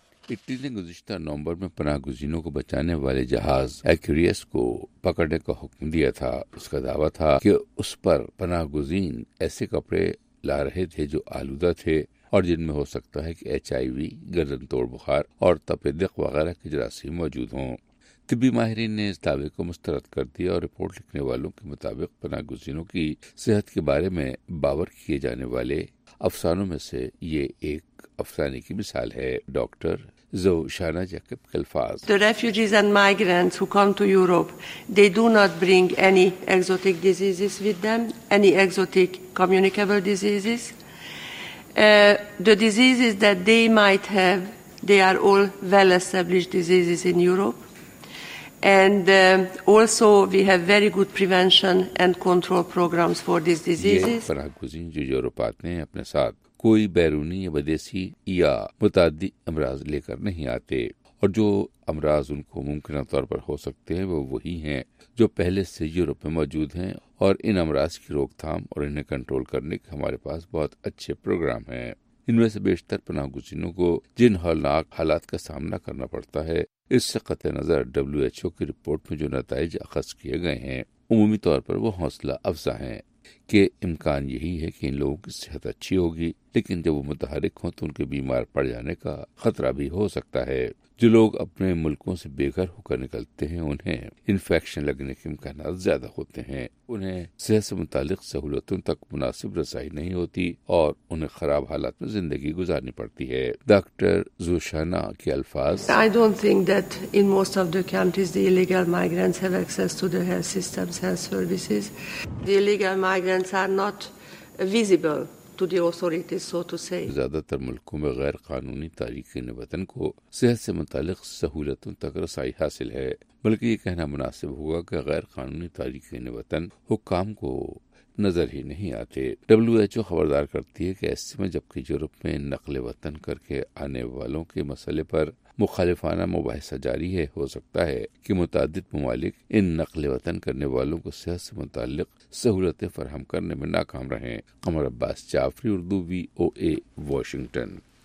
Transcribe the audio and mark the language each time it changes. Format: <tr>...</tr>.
<ur>Italy نے گزشتہ نومبر میں پناہ گزینوں کو بچانے والے جہاز ایکیوریس کو پکڑنے کا حکم دیا تھا۔ اس کا دعویٰ تھا کہ اس پر پناہ گزین ایسے کپڑے لا رہے تھے جو آلودہ تھے اور جن میں ہو سکتا ہے کہ ایچ آئی وی، گردن توڑ بخار اور تپیدق وغیرہ کے جراثیم موجود ہوں۔ طبی ماہرین نے اس دعوے کو مسترد کر دیا اور رپورٹ لکھنے والوں کے مطابق پناہ گزینوں کی صحت کے بارے میں باور کیے جانے والے افسانوں میں سے یہ ایک افسانے کی مثال ہے۔ ڈاکٹر زوشانہ جیکب کے الفاظ:</ur> <en>The refugees and migrants who come to Europe, they do not bring any exotic diseases with them, any exotic communicable diseases. The diseases that they might have, they are all well-established diseases in Europe. And also we have very good prevention and control programs for these diseases.</en> <ur>پناہ گزین جو Europe آتے ہیں اپنے ساتھ کوئی بیرونی یا ودیسی یا متعدی امراض لے کر نہیں آتے، اور جو امراض ان کو ممکنہ طور پر ہو سکتے ہیں وہ وہی ہیں جو پہلے سے یورپ میں موجود ہیں، اور ان امراض کی روک تھام اور انہیں کنٹرول کرنے کے ہمارے پاس بہت اچھے پروگرام ہیں۔ ان میں سے بیشتر پناہ گزینوں کو جن ہولناک حالات کا سامنا کرنا پڑتا ہے، اس سے قطع نظر ڈبلیو ایچ او کی رپورٹ میں جو نتائج اخذ کیے گئے ہیں عمومی طور پر وہ حوصلہ افزا ہیں کہ امکان یہی ہے کہ ان لوگوں کی صحت اچھی ہوگی، لیکن جب وہ متحرک ہوں تو ان کے بیمار پڑ جانے کا خطرہ بھی ہو سکتا ہے۔ جو لوگ اپنے ملکوں سے بے گھر ہو کر نکلتے ہیں انہیں انفیکشن لگنے کے امکانات زیادہ ہوتے ہیں، انہیں صحت سے متعلق سہولتوں تک مناسب رسائی نہیں ہوتی اور انہیں خراب حالات میں زندگی گزارنی پڑتی ہے۔ ڈاکٹر زوشانہ کے الفاظ:</ur> <en>I don't think that in most of the countries the illegal migrants have access to the health systems, health services. The illegal migrants are not visible to the authorities, so to say.</en> <ur>زیادہ تر ملکوں میں غیر قانونی تارکین وطن کو صحت سے متعلق سہولتوں تک رسائی حاصل ہے، بلکہ یہ کہنا مناسب ہوگا کہ غیر قانونی تارکین وطن حکام کو نظر ہی نہیں آتے۔ ڈبلیو ایچ او خبردار کرتی ہے کہ ایسے میں جبکہ یورپ میں نقل وطن کر کے آنے والوں کے مسئلے پر مخالفانہ مباحثہ جاری ہے، ہو سکتا ہے کہ متعدد ممالک ان نقل وطن کرنے والوں کو صحت سے متعلق سہولتیں فراہم کرنے میں ناکام رہیں۔ قمر عباس جعفری، اردو، وی او اے، واشنگٹن۔</ur>